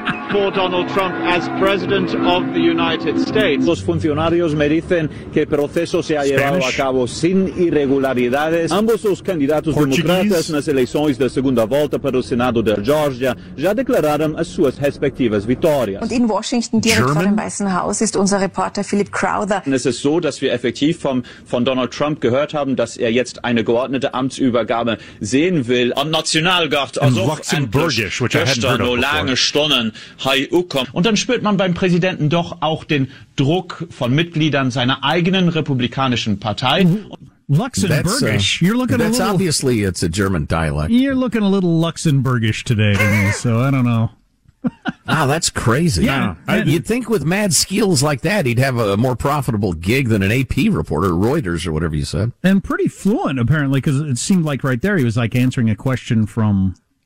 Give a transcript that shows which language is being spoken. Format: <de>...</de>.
<en>For Donald Trump as president of the United States.</en> <es>Los funcionarios me dicen que el proceso se ha</es> <en>Spanish.</en> <es>Llevado a cabo sin irregularidades. Ambos los candidatos</es> <en>Portuguese.</en> <es>Demócratas en las elecciones de segunda volta para el Senado de Georgia ya declararon a sus respectivas victorias.</es> <de>Und in Washington, direkt German. Vor dem Weißen Haus, ist unser Reporter Philip Crowther. Es ist so, dass wir effektiv von Donald Trump gehört haben, dass er jetzt eine geordnete Amtsübergabe sehen will. Und Nationalgard, also Luxemburgisch,</de> <en>which I hadn't heard of before.</en> <de>Und dann spürt man beim Präsidenten doch auch den Druck von Mitgliedern seiner eigenen republikanischen Partei.</de> <en>Luxembourgish. You're looking that's a little, obviously it's a German dialect. You're looking a little Luxembourgish today, to me, so I don't know. Wow, that's crazy. Yeah, you'd think with mad skills like that, he'd have a more profitable gig than an AP reporter, Reuters or whatever you said. And pretty fluent, apparently, because it seemed like right there he was like answering a question from...</en>